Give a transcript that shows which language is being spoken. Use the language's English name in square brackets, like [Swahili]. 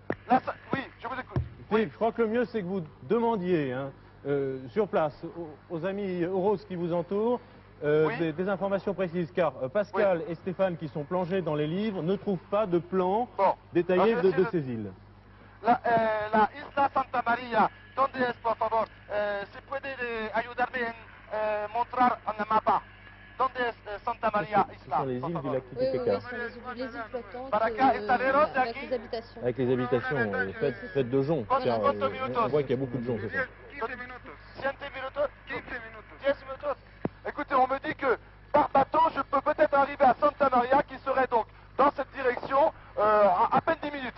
[French] Oui, je vous écoute. Philippe, je crois que le mieux, c'est que vous demandiez, sur place, aux amis Ouros qui vous entourent, oui. des informations précises, car Pascal et Stéphane, qui sont plongés dans les livres, ne trouvent pas de plan détaillé de ces îles. [Spanish] La Isla Santa Maria, donde es, por favor? Se puede ayudarme en montrar un mapa? Donde es Santa Maria Isla? [French] Ce sont les îles du lac Titicaca. Oui, oui, les habitations. Avec les habitations, faites de gens. On voit qu'il y a beaucoup de gens. 15 minutes. Écoutez, on me dit que par bateau, je peux peut-être arriver à Santa Maria, qui serait donc dans cette direction, à peine 10 minutes.